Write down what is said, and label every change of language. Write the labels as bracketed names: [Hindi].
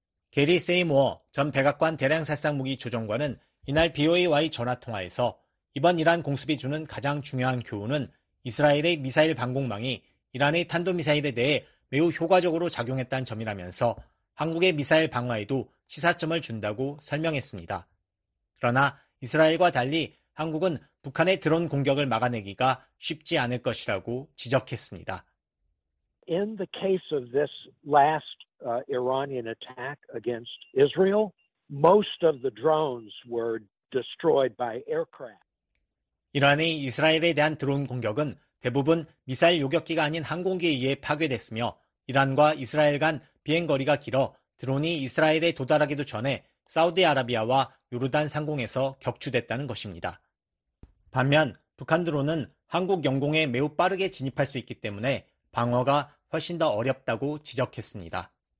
[Korean] 게리 세이모어 전 백악관 대량살상무기 조정관은 이날 BOA와의 전화통화에서 이번 이란 공습이 주는 가장 중요한 교훈은 이스라엘의 미사일 방공망이 이란의 탄도미사일에 대해 매우 효과적으로 작용했다는 점이라면서 한국의 미사일 방어에도 시사점을 준다고 설명했습니다. 그러나 이스라엘과 달리 한국은 북한의 드론 공격을 막아내기가 쉽지 않을 것이라고 지적했습니다. [English] In the case of this last Iranian attack against Israel, most of the drones were destroyed by aircraft. [Korean] 이란의 이스라엘에 대한 드론 공격은 대부분 미사일 요격기가 아닌 항공기에 의해 파괴됐으며 이란과 이스라엘 간 비행 거리가 길어 드론이 이스라엘에 도달하기도 전에 사우디아라비아와 요르단 상공에서 격추됐다는 것입니다. 반면 북한 드론은 한국 영공에 매우 빠르게 진입할 수 있기 때문에 방어가 훨씬 더 어렵다고 지적했습니다.